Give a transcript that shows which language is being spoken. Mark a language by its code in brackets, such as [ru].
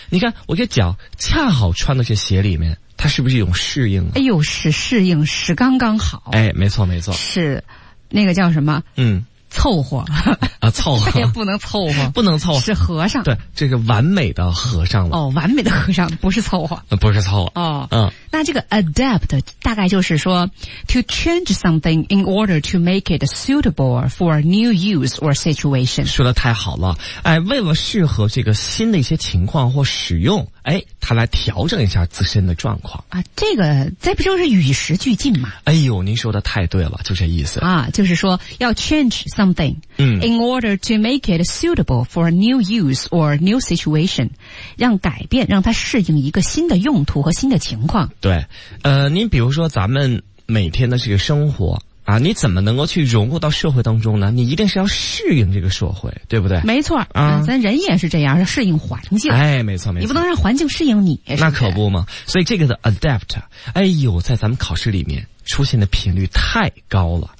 [zh] 你看我这脚恰好穿到这鞋里面，它是不是一种适应、啊、哎呦，是适应，是刚刚好。哎，没错没错，是那个叫什么，嗯，凑合啊，凑合也不能凑合，不能凑合，是和尚。对，这是完美的和尚了。哦，完美的和尚，不是凑合，不是凑合。哦，嗯，那这个 adapt 大概就是说 [en] to change something in order to make it suitable for new use or situation。 [zh] 说的太好了。哎，为了适合这个新的一些情况或使用，哎，他来调整一下自身的状况啊。这个这不就是与时俱进吗？哎呦，您说的太对了，就这意思啊，就是说要 [en] change something、 [zh] 嗯、 [en] in order to make it suitable for a new use or new situation， [zh] 让改变，让它适应一个新的用途和新的情况。对，您比如说咱们每天的这个生活啊，你怎么能够去融入到社会当中呢？你一定是要适应这个社会，对不对？没错啊、嗯，咱人也是这样，要适应环境。哎，没错没错，你不能让环境适应你。那可不嘛，所以这个的 adapt， 哎呦，在咱们考试里面出现的频率太高了，